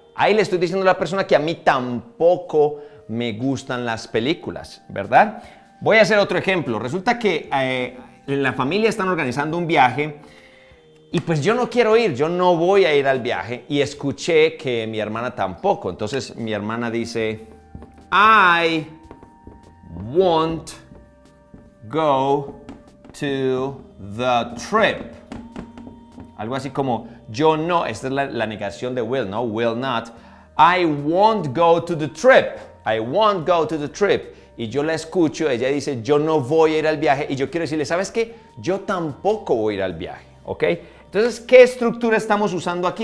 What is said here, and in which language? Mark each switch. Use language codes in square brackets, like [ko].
[es] Ahí le estoy diciendo a la persona que a mí tampoco me gustan las películas, ¿verdad? Voy a hacer otro ejemplo. Resulta que la familia están organizando un viaje y pues yo no quiero ir, yo no voy a ir al viaje y escuché que mi hermana tampoco. Entonces mi hermana dice, [en] I won't go to the trip. [es] Algo así como, yo no, esta es la negación de will, ¿no? Will not. [en] I won't go to the trip. I won't go to the trip. [es] Y yo la escucho, ella dice, yo no voy a ir al viaje. Y yo quiero decirle, ¿sabes qué? Yo tampoco voy a ir al viaje, ¿ok? Entonces, ¿qué estructura estamos usando aquí?